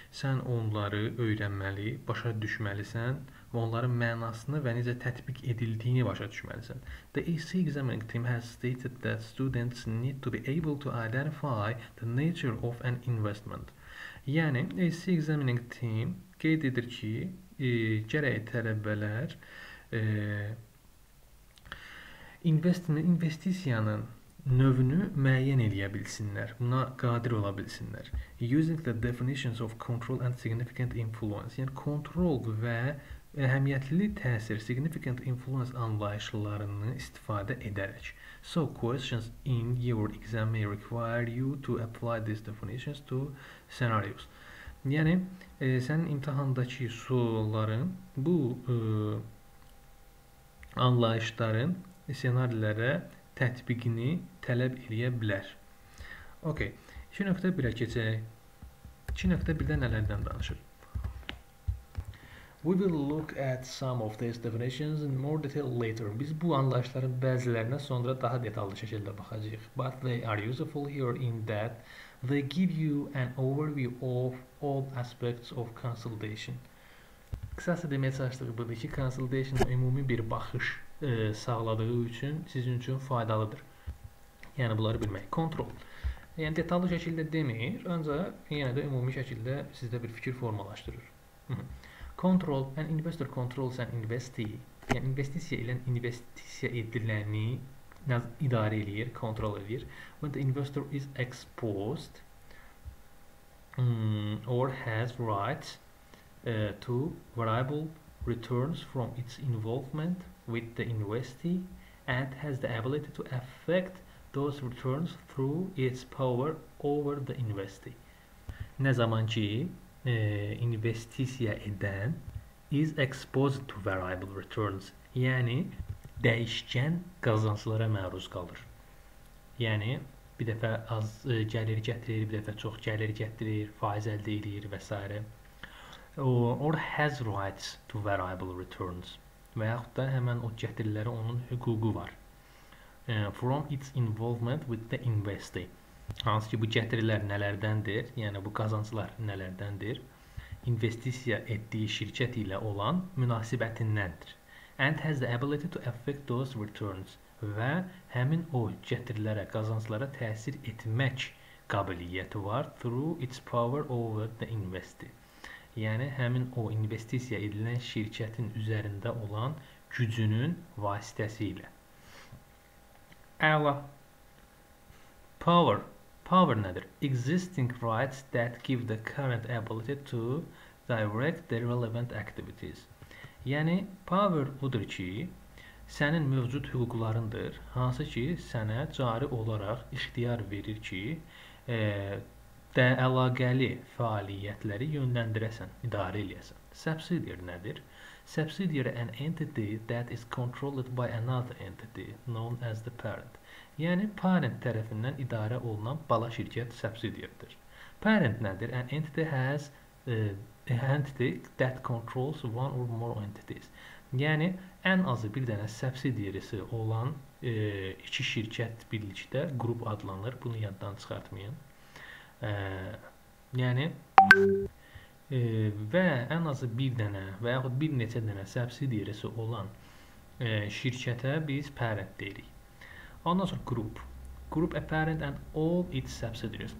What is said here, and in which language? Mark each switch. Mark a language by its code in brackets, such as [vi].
[az] Sən onları öyrənməli, başa düşməlisən və onların mənasını və necə tətbiq edildiğini başa düşməlisən. [en] The AC examining team has stated that students need to be able to identify the nature of an investment. [az] Yəni, AC examining team qeyd edir ki, gərək tələbələr investisiyanın növünü müəyyən edə bilsinlər, buna qadir ola bilsinlər. [en] Using the definitions of control and significant influence, [az] yəni kontrol və əhəmiyyətli təsir, [en] significant influence [az] anlayışlarını istifadə edərək. [en] So, questions in your exam may require you to apply these definitions to scenarios. [az] Yəni, sənin imtahandakı sualların bu anlayışların ssenarilərə tətbiqini tələb edə bilər. Okay, 2.1-ə keçək. 2.1-də nələrdən danışır? [en] We will look at some of these definitions in more detail later. [az] Biz bu anlayışların bəzilərinə sonra daha detallı şəkildə baxacaq. [en] But they are useful here in that they give you an overview of all aspects of consolidation. [az] Qısası deməyə çalışdığı budur ki, consolidation ümumi bir baxış sağladığı üçün sizin üçün faydalıdır. Yəni bunları bilmək. Kontrol. Yəni detallı şəkildə demir, ancaq yenə də ümumi şəkildə sizdə bir fikir formalaşdırır. [en] Control, an investor controls an investee. [az] Yəni investisiya ilə investisiya edilənləri idarə edir, kontrol edir. [en] When the investor is exposed or has rights to variable returns from its involvement with the investee and has the ability to affect those returns through its power over the investee. [az] Ne zaman ki investisiya edən [en] is exposed to variable returns, [az] yəni dəyişkən qazanclara məruz qalır. Yəni bir dəfə az gəlir gətirir, bir dəfə çox gəlir gətirir, faiz əldə edir və s. [en] Or has rights to variable returns. [az] Və yaxud da həmən o gətirilərə onun hüququ var. [en] From its involvement with the investee. [az] Hansı ki, bu gətirilər nələrdəndir? Yəni, bu qazanclar nələrdəndir? İnvestisiya etdiyi şirkət ilə olan münasibətindəndir. [en] And has the ability to affect those returns. [az] Və həmin o gətirilərə, qazanclara təsir etmək qabiliyyəti var [en] through its power over the investee. [az] Yəni, həmin o investisiya edilən şirkətin üzərində olan gücünün vasitəsi ilə. Əla. Power. Power nədir? [en] Existing rights that give the current ability to direct the relevant activities. [az] Yəni, power budur ki, sənin mövcud hüquqlarındır, hansı ki, sənə cari olaraq ixtiyar verir ki, də əlaqəli fəaliyyətləri yönləndirəsən, idarə eləyəsən. Subsidiary nədir? [en] Subsidiary an entity that is controlled by another entity known as the parent. [az] Yəni parent tərəfindən idarə olunan bala şirkət subsidiary-dir. Parent nədir? [en] An entity has an entity that controls one or more entities. [az] Yəni ən azı bir dənə subsidiary-si olan iki şirkət birlikdə qrup adlanır. Bunu yaddan çıxartmayın. Yəni və ən azı bir dənə və yaxud bir neçə dənə subsidiary-si olan şirkətə biz parent deyirik. Ondan sonra group. [en] Group a parent and all its subsidiaries.